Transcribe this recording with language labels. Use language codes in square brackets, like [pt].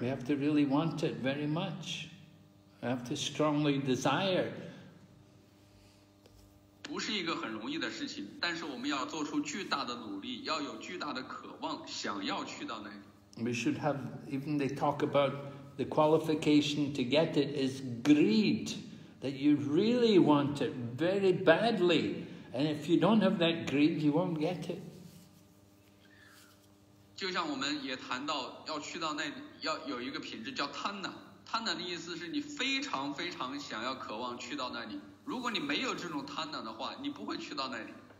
[en] We have to really want it very much. I have to strongly desire. [zh] 不是一个很容易的事情，但是我们要做出巨大的努力，要有巨大的渴望，想要去到那里。 [en] We should have, even they talk about the qualification to get it is greed, that you really want it very badly, and if you don't have that greed, you won't get it. [zh] 就像我们也谈到要去到那里，要有一个品质叫贪婪。贪婪的意思是你非常非常想要渴望去到那里，如果你没有这种贪婪的话，你不会去到那里。